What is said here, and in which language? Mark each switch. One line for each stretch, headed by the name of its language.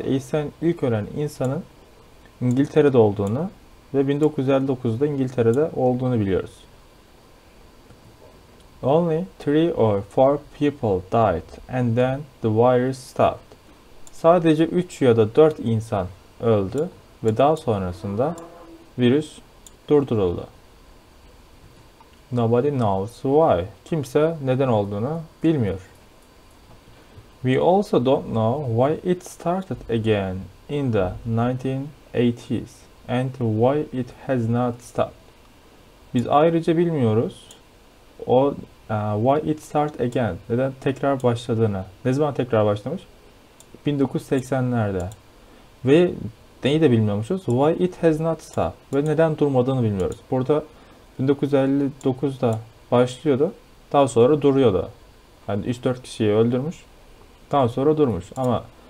Turkish: AIDS'ten ilk ölen insanın İngiltere'de olduğunu ve 1959'da İngiltere'de olduğunu biliyoruz.
English: Only 3 or 4 people died and then the virus stopped.
Turkish: Sadece 3 ya da 4 insan öldü ve daha sonrasında virüs durduruldu.
English: Nobody knows why.
Turkish: Kimse neden olduğunu bilmiyor.
English: We also don't know why it started again in the 1980s and why it has not stopped.
Turkish: Biz ayrıca bilmiyoruz o
English: why it start again.
Turkish: Neden tekrar başladığını. Ne zaman tekrar başlamış? 1980'lerde. Ve neyi de bilmiyormuşuz?
English: Why it has not stopped.
Turkish: Ve neden durmadığını bilmiyoruz. Burada 1959'da başlıyordu, daha sonra duruyordu. Yani 3-4 kişiyi öldürmüş, daha sonra durmuş. Ama